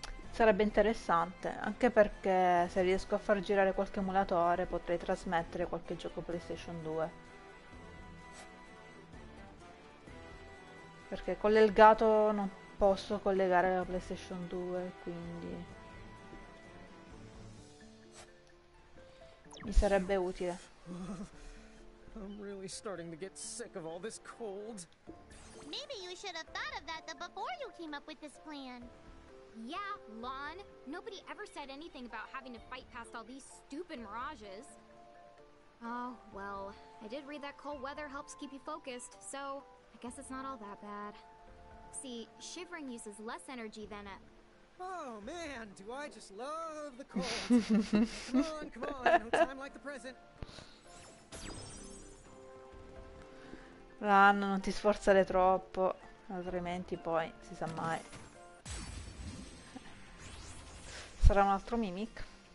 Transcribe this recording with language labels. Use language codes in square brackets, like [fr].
[it] Sarebbe interessante, anche perché se riesco a far girare qualche emulatore potrei trasmettere qualche gioco PlayStation 2. Perché con l'Elgato non posso collegare la PlayStation 2, quindi mi sarebbe utile. [en] I'm really starting to get sick of all this cold. Maybe you should have thought of that before you came up with this plan. Yeah, Lon. Nobody ever said anything about having to fight past all these stupid mirages. Oh, well, I did read that cold weather helps keep you focused, so I guess it's not all that bad. See, shivering uses less energy than a... Oh man, do I just love the cold! come on, no time like the present! [it] Run, non ti sforzare troppo, altrimenti poi si sa mai. Sarà un altro mimic?